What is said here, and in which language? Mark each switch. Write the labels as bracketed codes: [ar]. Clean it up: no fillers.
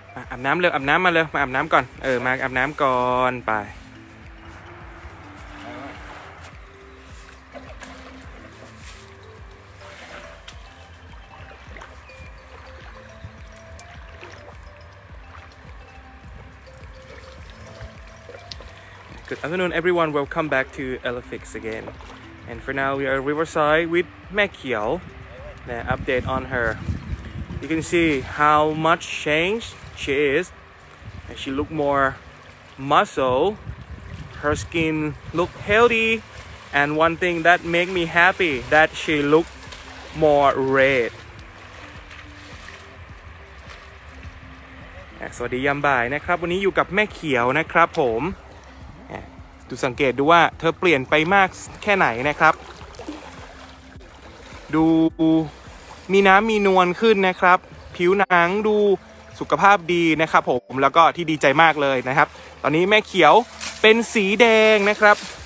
[th] อาบน้ำเร็วอาบน้ำมาเร็วมาอาบน้ำก่อนเออมาอาบน้ำก่อนไป [en] Good afternoon, everyone. Welcome back to Elefix again. And for now, we are at Riverside with Mae Kyeol. The update on her. You can see how much changed she is. And she look more muscle. Her skin look healthy. And one thing that make me happy, that she look more red. [th] สวัสดียามบ่ายนะครับวันนี้อยู่กับแม่เขียวนะครับผมดูสังเกตดูว่าเธอเปลี่ยนไปมากแค่ไหนนะครับดูมีน้ำมีนวลขึ้นนะครับผิวหนังดูสุขภาพดีนะครับผมแล้วก็ที่ดีใจมากเลยนะครับตอนนี้แม่เขียวเป็นสีแดงนะครับ